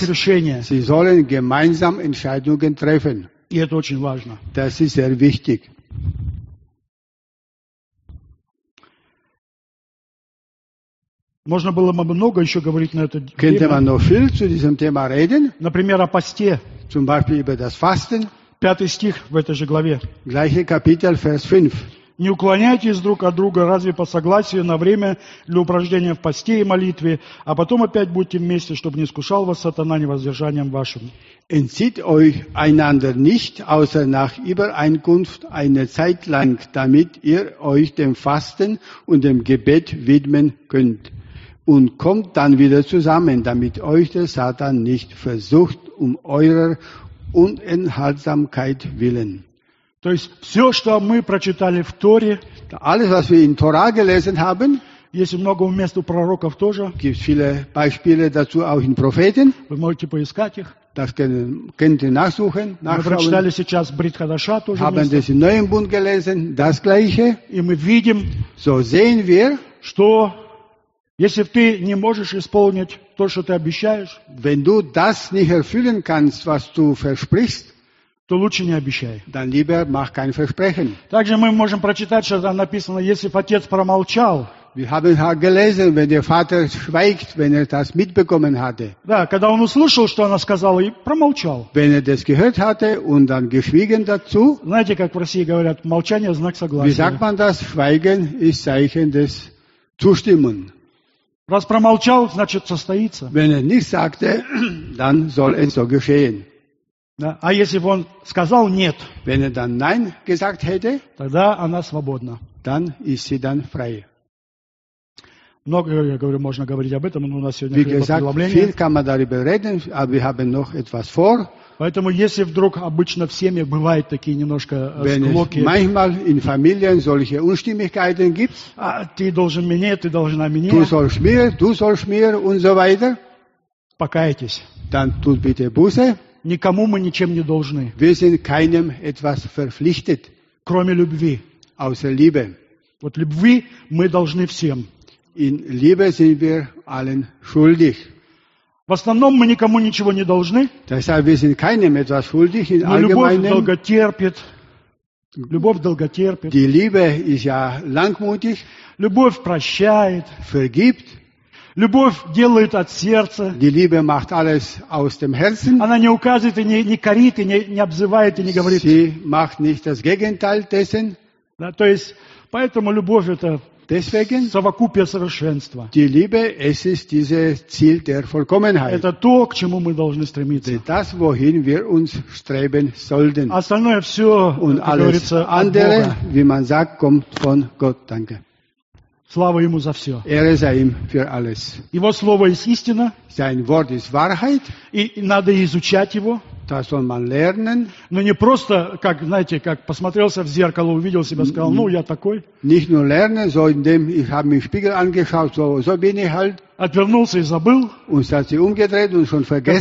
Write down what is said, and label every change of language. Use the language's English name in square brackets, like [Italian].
[German] heißt, [Russian] решения. [German] Sie sollen gemeinsam Entscheidungen treffen. [Russian] И это очень важно. [German] Das ist sehr wichtig. [Russian] Можно было бы много еще говорить на этот тему. [German] Könnte man noch viel zu diesem Thema reden? [Russian] Например, о посте. [German] Zum Beispiel über das Fasten. [Russian] Пятый стих в этой же главе. [German] Gleiche Kapitel, Vers 5. [Russian] Не уклоняйтесь друг от друга, разве по согласию на время для упражнения в посте и молитве, а потом опять будьте вместе, чтобы не искушал вас сатана невоздержанием вашим. [German] Entzieht euch einander nicht, außer nach Übereinkunft eine Zeit lang, damit ihr euch dem Fasten und dem Gebet widmen könnt. Und kommt dann wieder zusammen, damit euch der Satan nicht versucht, um eurer Unenthaltsamkeit willen. [Russian] То есть все, что мы прочитали в Торе, [German] alles, was wir in Torah gelesen haben, [Russian] есть много мест у пророков тоже, [German] gibt viele Beispiele dazu auch in Propheten, [Russian] вы можете поискать их, [German] das könnt ihr nachsuchen, nachschauen. [Russian] Мы прочитали сейчас Брит Хадаша тоже [German] haben [Russian] место. [German] Das im Neuen Bund gelesen, das Gleiche. [Russian] И мы видим, [German] so sehen wir, [Russian] что если ты не можешь исполнить то, что ты обещаешь, [German] wenn du das nicht erfüllen kannst, was du versprichst, [Russian] то лучше не обещай. [German] Dann lieber mach kein Versprechen. [Russian] Также мы можем прочитать, что там написано, если отец промолчал. [German] Wir haben gelesen, wenn der Vater schweigt, wenn er das mitbekommen hatte. [Russian] Да, когда он услышал, что она сказала, и промолчал. [German] Wenn er das gehört hatte und dann geschwiegen dazu. [Russian] Знаете, как в России говорят, молчание – знак согласия. [German] Wie sagt man das? Schweigen ist Zeichen des Zustimmen. [Russian] Раз промолчал, значит, состоится. [German] Wenn er nicht sagte, dann soll es so geschehen. [Russian] А если бы он сказал «нет», [German] wenn er dann nein gesagt hätte, [Russian] тогда она свободна. [German] Dann ist sie dann frei. [Russian] Много, я говорю, можно говорить об этом, но у нас сегодня какое-то преломление. [German] Wie gesagt, viel kann man darüber reden, aber wir haben noch etwas vor. [Russian] Поэтому если вдруг обычно в семье бывают такие немножко склоки, [German] manchmal in Familien solche Unstimmigkeiten gibt, [Russian] ты должен мне, ты должна мне, [German] du sollst mir und so weiter, [Russian] покайтесь. [German] Dann tut bitte Buße. [Russian] Никому мы ничем не должны. [German] Wir sind keinem etwas verpflichtet, [Russian] кроме любви. [German] Außer Liebe. [Russian] Вот любви мы должны всем. [German] In Liebe sind wir allen schuldig. [Russian] В основном мы никому ничего не должны. [German] Wir sind keinem etwas schuldig, in [Russian] но любовь долготерпит. Любовь долготерпит. [German] Die Liebe ist ja langmutig. [Russian] Любовь прощает. [German] Vergibt. [Russian] Любовь делает от сердца. [German] Die Liebe macht alles aus dem Herzen. [Russian] Она не указывает, и не корит, и не обзывает, и не говорит. [German] Sie macht nicht das Gegenteil dessen. [Russian] Да, то есть, поэтому любовь – это [German] deswegen, [Russian] совокупие совершенства. [German] Die Liebe, es ist dieses Ziel der Vollkommenheit. [Russian] Это то, к чему мы должны стремиться. [German] Das, wohin wir uns streben sollten. [Russian] Остальное все, [German] und alles andere, wie man sagt, kommt von Gott. Danke. [Russian] Слава Ему за все. [German] Ehre sei ihm für alles. [Russian] Его слово [German] ist [Russian] истина. [German] Sein Wort ist Wahrheit. [Russian] И надо изучать его. [German] Das soll man lernen. [Russian] Но не просто, как, знаете, как посмотрелся в зеркало, увидел себя, сказал, ну, я такой. [German] Nicht nur lernen, so indem ich habe mich im Spiegel angeschaut, so bin ich halt. [Russian] Отвернулся и забыл. [German] Und hat sich umgedreht und schon vergessen.